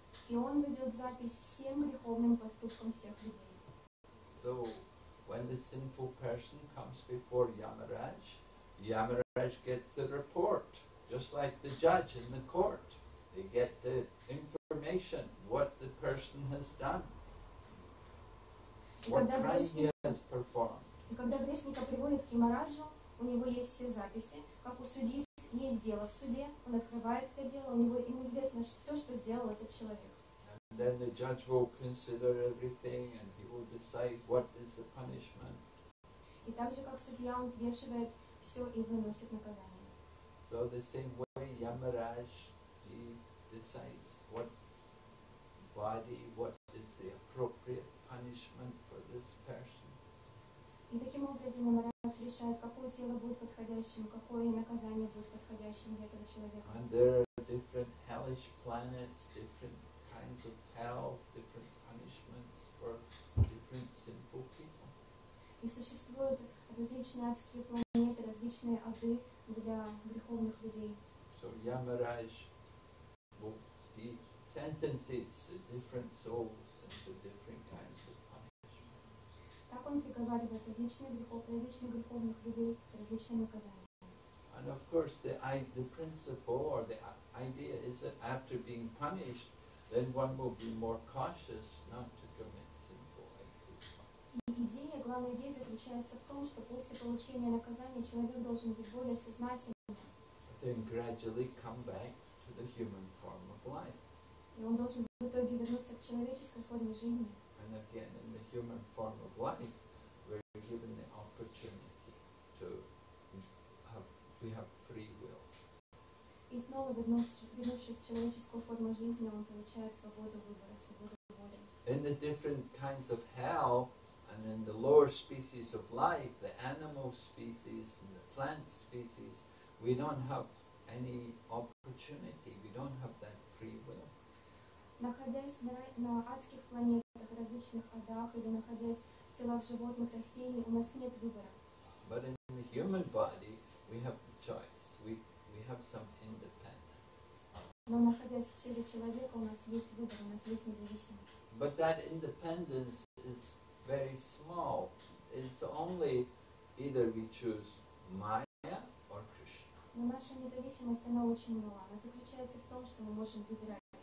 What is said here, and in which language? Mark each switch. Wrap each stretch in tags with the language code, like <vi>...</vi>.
<ru>И он ведет запись всем греховным поступкам всех людей.</ru> <en>So, when the sinful person comes before Yamaraj, Yamaraj gets the report, just like the judge in the court. They get the information, what the person has done, what crime he has performed.</en> <ru>И когда грешника приводит к Ямараджу, у него есть все записи, как у судьи есть дело в суде, он открывает это дело, ему известно все, что сделал этот человек.</ru> <en>Then the judge will consider everything and he will decide what is the punishment.</en> <ru>И так же, как судья, он взвешивает все и выносит наказание.</ru> <en>So the same way Yamaraj, he decides what body, what is the appropriate punishment for this person.</en> <ru>И таким образом Ямарадж решает, какое тело будет подходящим, какое наказание будет подходящим для этого человека.</ru> <en>And there are different hellish planets, different kinds of hell, different punishments for different sinful people.</en> <ru>И существуют различные адские планеты, различные ады для греховных людей.</ru> <en>So Yamaraj he sentences the different souls into different kinds of punishment.</en> <ru>Так он приговаривает различных грехов, различных греховных людей к различным наказаниям.</ru> <en>And of course, the principle or the idea is that after being punished, then one will be more cautious not to commit sinful activity.</en> <ru>Идея, главная идея заключается в том, что после получения наказания человек должен быть более сознательным.</ru> <en>Then gradually come back to the human form of life.</en> <ru>И он должен в итоге вернуться к человеческой форме жизни.</ru> <en>And again, in the human form of life, we're given the opportunity to have, we have free will.</en> <ru>И снова вернувшись в человеческую форму жизни, он получает свободу выбора, свободу воли.</ru> <en>In the different kinds of hell, and in the lower species of life, the animal species and the plant species, we don't have any opportunity, we don't have that free will.</en> <ru>Находясь на адских планетах, различных адах, или находясь в телах животных, растений, у нас нет выбора.</ru> <en>But in the human body, we have the choice. We have some independence.</en> <ru>Но находясь в теле человека, у нас есть выбор, у нас есть независимость.</ru> <en>But that independence is very small. It's only either we choose Maya or Krishna.</en> <ru>Но наша независимость, она очень мала. Она заключается в том, что мы можем выбирать.</ru>